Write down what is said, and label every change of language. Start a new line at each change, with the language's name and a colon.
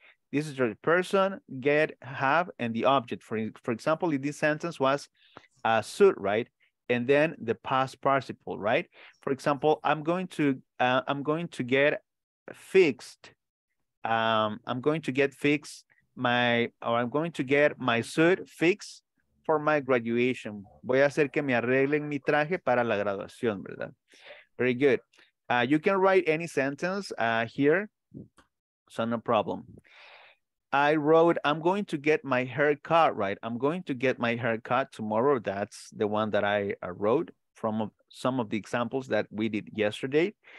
English: This is the person, get, have, and the object. For example, in this sentence was a suit, right? and then the past participle, right? For example, I'm going to get fixed. I'm going to get my suit fixed for my graduation.
Spanish: Voy a hacer que me arreglen mi traje para la graduación, ¿verdad?
English: Very good. You can write any sentence here, so no problem. I wrote, I'm going to get my hair cut, right? I'm going to get my hair cut tomorrow. That's the one that I wrote from some of the examples that we did yesterday.